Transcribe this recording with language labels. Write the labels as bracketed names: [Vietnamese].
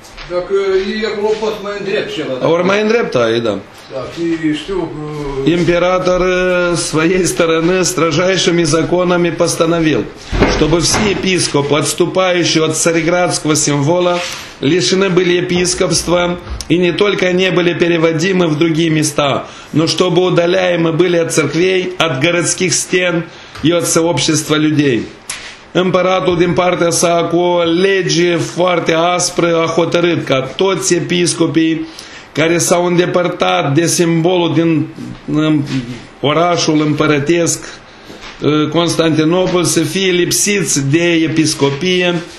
[Romanian] Dacă ei acolo pot mai îndrept ceva. Ori mai îndrept, ai, da. [Russian] Император своей стороны строжайшими законами постановил, чтобы все епископы, отступающие от цареградского символа, лишены были епископства, и не только не были переводимы в другие места, но чтобы удаляемы были от церквей, от городских стен и от сообщества людей. [Romanian] Împăratul din partea sa cu o lege foarte aspră a hotărât ca toți episcopii care s-au îndepărtat de simbolul din orașul împărătesc Constantinopol să fie lipsiți de episcopie